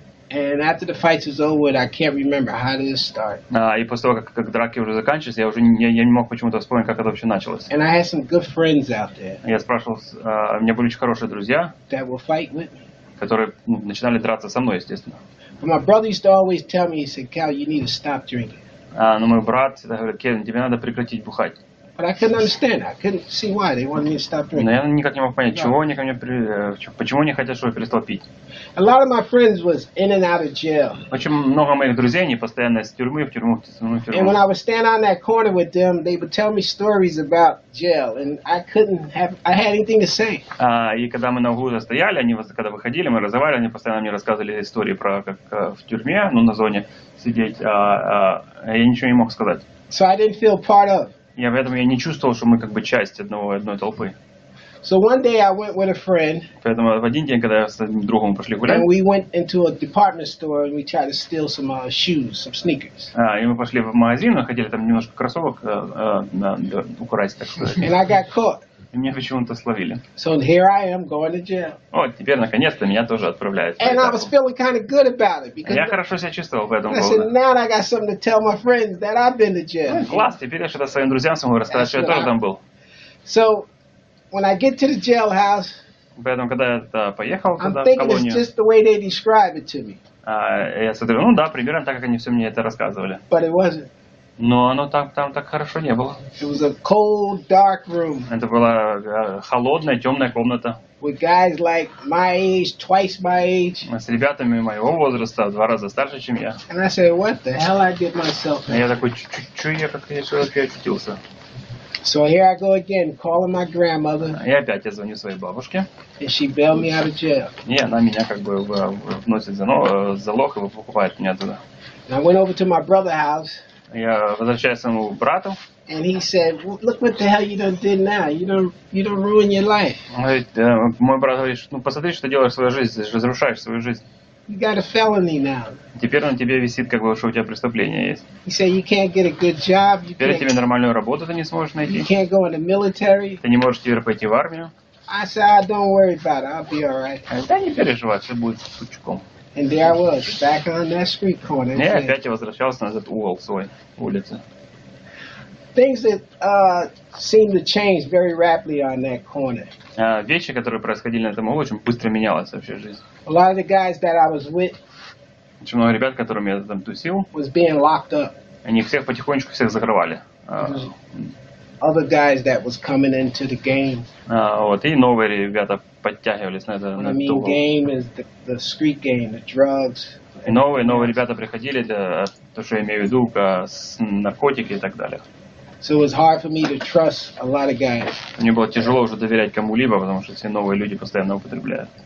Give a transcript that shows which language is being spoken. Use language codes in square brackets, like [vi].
[en] And after the fights was over, I can't remember how did it start. [ru] И после того, как драки уже заканчивались, я уже я не мог почему-то вспомнить, как это вообще началось. [en] And I had some good friends out there. [ru] Я спрашивал, у меня были очень хорошие друзья, [en] that will fight with me. [ru] Которые начинали драться со мной, естественно. [en] But my brother used to always tell me, he said, "Cal, you need to stop drinking." [ru] Но мой брат всегда говорит, Кевин, тебе надо прекратить бухать. [en] But I couldn't understand. I couldn't see why they wanted me to stop drinking. [ru] Но я никак не мог понять, чего они ко мне почему они хотят, чтобы я перестал пить. [en] A lot of my friends was in and out of jail. [ru] Очень много моих друзей, они постоянно из тюрьмы в тюрьму, [en] And when I would stand on that corner with them, they would tell me stories about jail, and I had anything to say. [ru] И когда мы на углу застояли, они когда выходили, мы разговаривали, они постоянно мне рассказывали истории про как в тюрьме, на зоне сидеть, я ничего не мог сказать. [en] So I didn't feel part of. [ru] Я поэтому я не чувствовал, что мы как бы часть одной толпы. [en] So one day I went with a friend. [ru] Поэтому в один день, когда я с одним другом пошли гулять. [en] And we went into a department store and we tried to steal some shoes, some sneakers. [ru] И мы пошли в магазин, мы хотели там немножко кроссовок украсть, так сказать. [en] And I got caught. [ru] И меня почему-то словили. [en] So here I am going to jail. [ru] Вот теперь наконец-то меня тоже отправляют. [en] And I was feeling kind of good about it because. [ru] Я хорошо себя чувствовал в этом году. [en] I said now I got something to tell my friends that I've been to jail. [ru] Класс, теперь я что-то своим друзьям смогу рассказать, что я тоже там был. [en] So when I get to the jailhouse. [ru] Поэтому когда я поехал туда, в колонию. [en] I'm thinking just the way they describe it to me. [ru] Я смотрю, да, примерно так, как они все мне это рассказывали. [en] But it wasn't. [ru] Но оно там так хорошо не было. [en] It was a cold, dark room. [ru] Это была холодная, темная комната. [en] With guys like my age, twice my age. [ru] С ребятами моего возраста, в два раза старше, чем я. [en] And I said, "What the hell I did myself?" [ru] А я такой, чё я очутился? [en] So here I go again, calling my grandmother. [ru] И опять я звоню своей бабушке. [en] And she bailed me out of jail. [ru] И она меня как бы вносит залог и выкупает меня туда. [en] I went over to my brother's house. [ru] Я возвращаюсь к своему брату. [en] And he said, "Look what the hell you done did now. You don't ruin your life." [ru] Мой брат говорит, посмотри, что делаешь в своей жизни, разрушаешь свою жизнь. [en] You got a felony now. [ru] Теперь на тебе висит, как бы, что у тебя преступление есть. [en] He said, "You can't get a good job." [ru] Теперь тебе нормальную работу ты не сможешь найти. [en] You can't go in the military. [ru] Ты не можешь теперь пойти в армию. [en] I said, "Don't worry about it. I'll be all right." [ru] Да не переживай, все будет пучком. [en] And there I was, back on that street corner. [ru] Yeah, опять я возвращался на этот угол свой улицы. [en] Things that seemed to change very rapidly on that corner. [ru] вещи, которые происходили на этом углу, очень быстро менялась вообще жизнь. [en] A lot of the guys that I was with, [ru] очень много ребят, которыми я там тусил, [en] was being locked up. [ru] Они всех потихонечку всех закрывали. [en] Other guys that was coming into the game. [ru] Вот, и новые ребята подтягивались на это. [en] What I mean game is the street game, the drugs. [ru] Новые ребята приходили, то, что я имею в виду, наркотики и так далее. [en] So it was hard for me to trust a lot of guys. [ru] Мне было тяжело уже доверять кому-либо, потому что все новые люди постоянно употребляют.